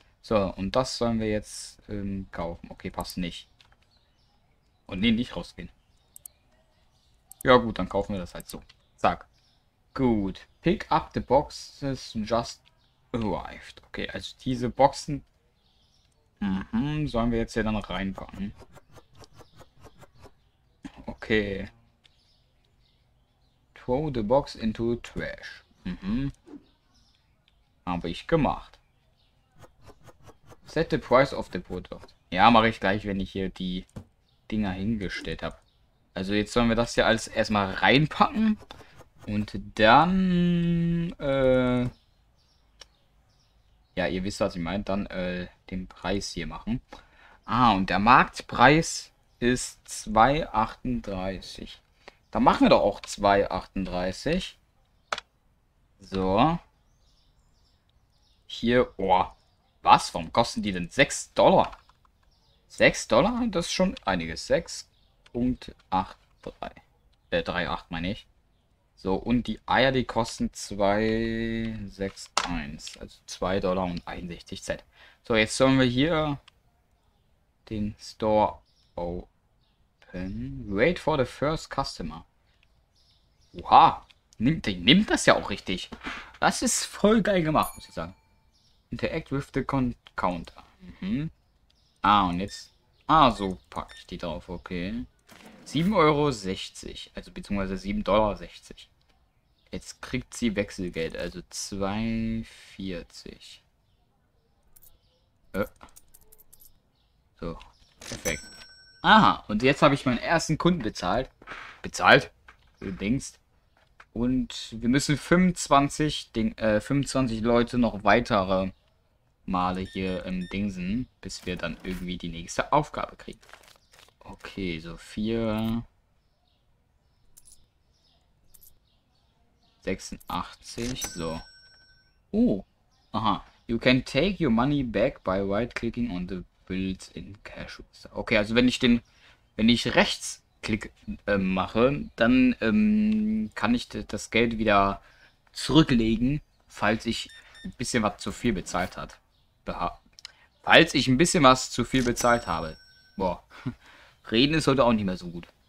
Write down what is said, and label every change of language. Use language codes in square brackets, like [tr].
[de] So, und das sollen wir jetzt kaufen. Okay, passt nicht. Und nee, nicht rausgehen. Ja gut, dann kaufen wir das halt so. Zack. Gut. [en] Pick up the boxes just arrived. [de] Okay, also diese Boxen sollen wir jetzt hier dann reinpacken. Okay. [en] Throw the box into trash. [de] Habe ich gemacht. [en] Set the price of the product. [de] Ja, mache ich gleich, wenn ich hier die Dinger hingestellt habe. Also jetzt sollen wir das hier alles erstmal reinpacken und dann ja, ihr wisst, was ich meine, dann den Preis hier machen. Ah, und der Marktpreis ist 2,38. Dann machen wir doch auch 2,38. So. Hier, oh. Was? Warum kosten die denn 6 Dollar? 6 Dollar, das ist schon einiges. 6,83 meine ich. So, und die Eier, die kosten 2,61. Also 2 Dollar und 61 Cent. So, jetzt sollen wir hier den Store open. [en] Wait for the first customer. [de] Oha, nimmt das ja auch richtig. Das ist voll geil gemacht, muss ich sagen. [en] Interact with the counter. [de] Ah, und jetzt... Ah, so packe ich die drauf, okay. 7,60 €, also beziehungsweise 7,60 $. Jetzt kriegt sie Wechselgeld, also 2,40. So, perfekt. Aha, und jetzt habe ich meinen ersten Kunden bezahlt. Bezahlt? Übrigens. Und wir müssen 25 Leute noch weitere Male hier im Dingsen, bis wir dann irgendwie die nächste Aufgabe kriegen. Okay, so 4. 86, so. Oh, aha. [en] You can take your money back by right-clicking on the bills in cash. [de] Okay, also wenn ich rechtsklick mache, dann kann ich das Geld wieder zurücklegen, falls ich ein bisschen was zu viel bezahlt hat. Falls ich ein bisschen was zu viel bezahlt habe. Boah. Reden ist heute auch nicht mehr so gut.